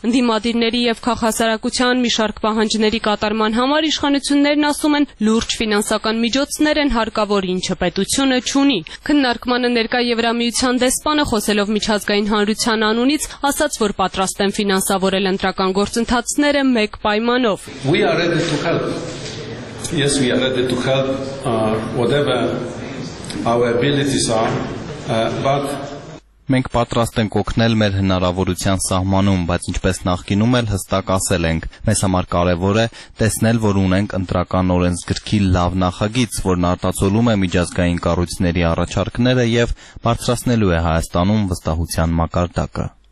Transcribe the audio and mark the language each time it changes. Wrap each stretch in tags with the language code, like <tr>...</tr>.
<hy>Ընդդիմադիրների եւ քաղաքասարակության մի շարք պահանջների կատարման համար իշխանություններն ասում են, լուրջ ֆինանսական միջոցներ են հարկավոր, ինչը պետությունը չունի։ Քննարկմանը ներկա Եվրամիության դեսպանը, խոսելով միջազգային հանրության անունից, ասաց, որ պատրաստ են ֆինանսավորել ընտրական գործընթացները մեկ պայմանով։</hy> <en>We are ready to help. Yes, we are ready to help whatever our abilities are, but...</en> <hy>Մենք պատրաստ ենք օգնել մեր հնարավորության սահմանում, բայց ինչպես նախկինում էլ հստակ ասել ենք, մեզ համար կարևոր է տեսնել, որ ունենք ընտրական օրենսգրքի լավ նախագիծ, որն արտացոլում է միջազգային կառույցների առաջարկները և բարձրացնելու է Հայաստանում վստահության մակարդակը.</hy>